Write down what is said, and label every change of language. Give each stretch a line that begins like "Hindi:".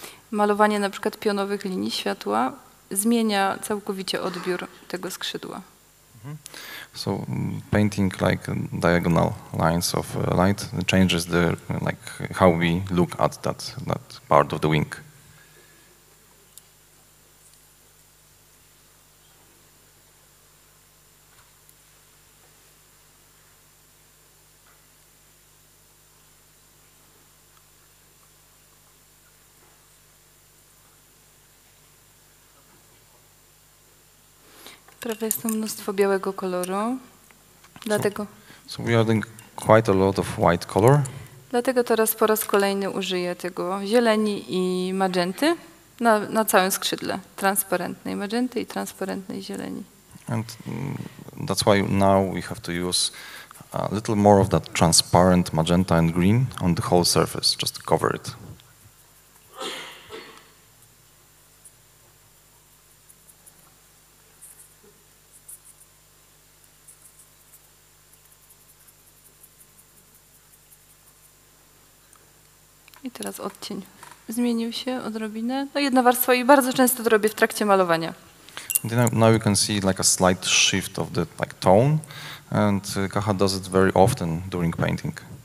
Polish: Malowanie na przykład pionowych linii światła zmienia całkowicie odbiór tego skrzydła. Mm-hmm.
English: So painting like diagonal lines of light changes the like how we look at that part of the wing.
Polish: Prawie jest to mnóstwo białego koloru, dlatego...
English: So we are doing quite a lot of white color.
Polish: Dlatego teraz po raz kolejny użyję tego zieleni i magenty na całym skrzydle. Transparentnej magenty i transparentnej zieleni.
English: And that's why now we have to use a little more of that transparent magenta and green on the whole surface, just to cover it.
Polish: Teraz odcień zmienił się odrobinę. No jedna warstwa i bardzo często to robię w trakcie malowania.
English: Now you can see like a slight shift of the like tone and Kaha does it very often during painting.